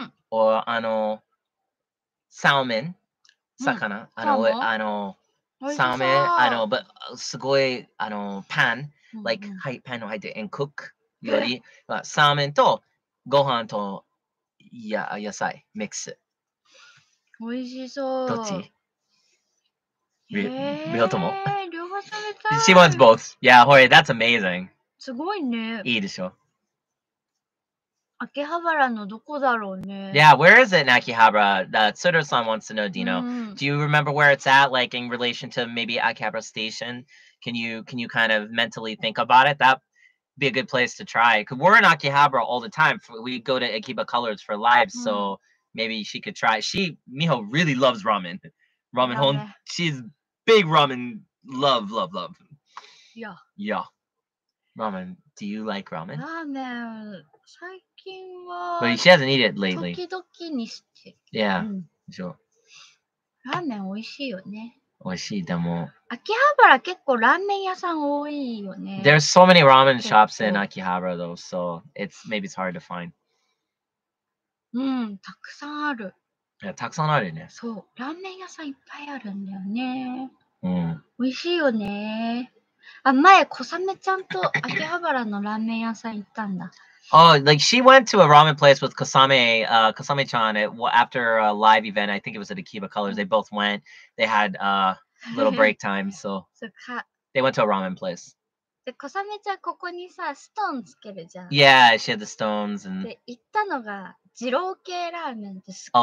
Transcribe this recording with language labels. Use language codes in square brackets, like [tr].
[en] or [ja] あの、サーモン、魚、うん、あの、サーモン、あの、 [en] but [ja] すごいあの、パン、うんうん、 [en] like [ja] はいパンの入って、 [en] and cook [ja] 料理、まあ、サーモンと、ご飯と野菜、ミックス。おいしそう。どっち？みほとも。両方食べたい。 [en] She wants both. Yeah, Hori, that's amazing. [ja] すごいね。いいでしょ。秋葉原のどこだろうね。 [en] Yeah, where is it in Akihabara? Tsuru-san wants to know, Dino.、 [ja] うん、 [en] Do you remember where it's at, like in relation to maybe Akihabara Station? Can you kind of mentally think about it? That'd be a good place to try. Cause we're in Akihabara all the time. We go to Akiba Colors for live,、mm-hmm. so maybe she could try. Miho really loves ramen. Ramen home. She's big ramen. Love. Yeah. Ramen. Do you like ramen? [ja] Ramen. 最近は [en] But she hasn't eaten it lately. [ja] 時々にして [en] Yeah.、Mm. Sure. [ja] Ramen 美味しいよね。美味しいでも秋葉原結構ラーメン屋さん多いよね。 [en] There's so many ramen shops in Akihabara though, so it's maybe it's hard to find. [ja] うん、たくさんある。いや、たくさんあるね。そう、ラーメン屋さんいっぱいあるんだよね。うん。おいしいよね。あ、前小雨ちゃんと秋葉原のラーメン屋さん行ったんだ。 [en] Oh, like she went to a ramen place with Kasame, Kasame-chan after a live event. I think it was at Akiba Colors. They both went. They had a little break time. So, so They went to a ramen place. [ja] で、小雨ちゃんここにさ、ストーンつけるじゃん。 [en] Yeah, she had the stones. And... [ja] で、行ったのが、二郎系ラーメンってすごい。